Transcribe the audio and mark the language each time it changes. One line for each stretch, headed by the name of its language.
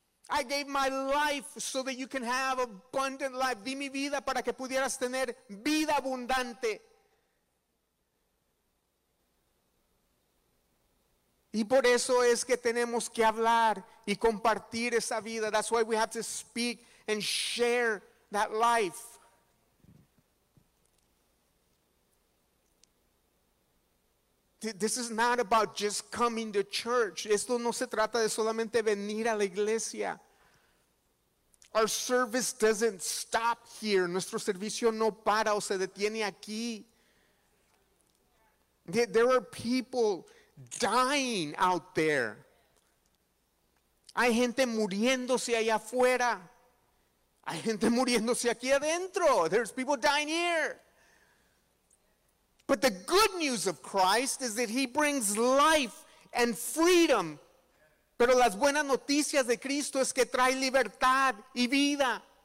English: I gave my life so that you can have abundant life.
Spanish: Di mi vida para que pudieras tener vida abundante. Y por eso es que tenemos que hablar y compartir esa vida.
English: That's why we have to speak and share that life. This is not about just coming to church.
Spanish: Esto no se trata de solamente venir a la iglesia.
English: Our service doesn't stop here.
Spanish: Nuestro servicio no para o se detiene aquí.
English: There are people dying out there.
Spanish: Hay gente muriéndose allá afuera. Hay gente muriéndose aquí adentro.
English: There's people dying here. But the good news of Christ is that He brings life and freedom.
Spanish: Pero las buenas noticias de Cristo es que trae libertad y vida.